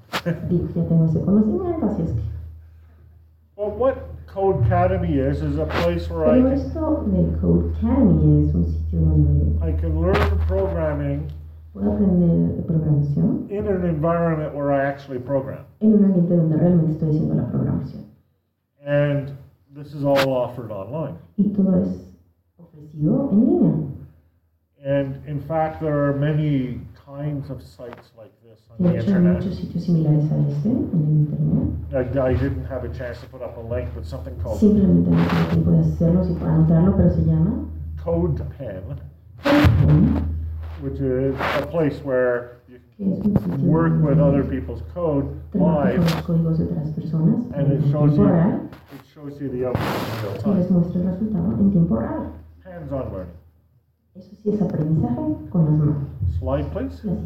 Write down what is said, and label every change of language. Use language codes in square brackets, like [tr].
[es] Sí, ya tengo ese conocimiento, así es que. [en] Well, what Code Academy is a place where I. [es] Pero esto de Code Academy es un sitio donde. [en] I can learn programming. [es] Puedo aprender programación. [en] In an environment where I actually program. [es] En un ambiente donde realmente estoy haciendo la programación. [en] And this is all offered online. [es] Y todo es ofrecido en línea. [en] And in fact, there are many kinds of sites like this. this on the internet. [es] Muchos sitios similares a este en el internet. [en] I didn't have a chance to put up a link, but something called. [es] Simplemente no tengo tiempo de hacerlo si puedo anotarlo, pero se llama. [en] CodePen. [es] CodePen. [en] Which is a place where you work with other people's code live, and it shows you the output in real time. Hands-on learning. Slide, please.